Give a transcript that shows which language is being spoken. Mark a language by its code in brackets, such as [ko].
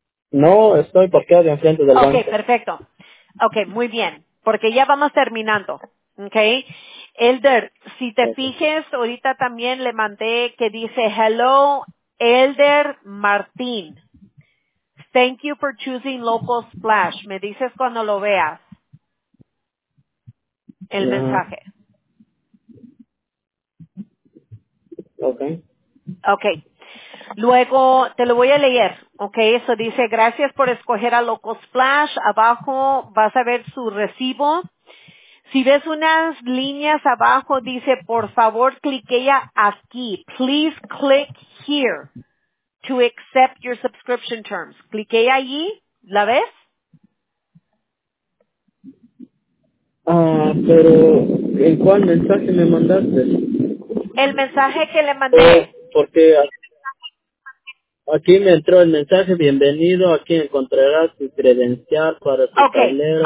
[es] No, estoy parqueado enfrente del banco. Okay, perfecto. Okay, muy bien, porque ya vamos terminando, okay. Elder, si te fijes, ahorita también le mandé que dice, [en] hello, [es] Elder Martín. [en] Thank you for choosing Local Splash. [es] Me dices cuando lo veas. El mensaje. Okay. Okay. Luego, te lo voy a leer. Okay, eso dice, gracias por escoger a Local Splash. Abajo vas a ver su recibo. Si ves unas líneas abajo, dice, por favor, cliquea aquí. [en] Please click here to accept your subscription terms. [es] Cliquea allí, ¿la ves? Pero, ¿en cuál mensaje me mandaste? El mensaje que le mandé. Porque aquí me entró el mensaje, bienvenido, aquí encontrarás tu credencial para tu tablero.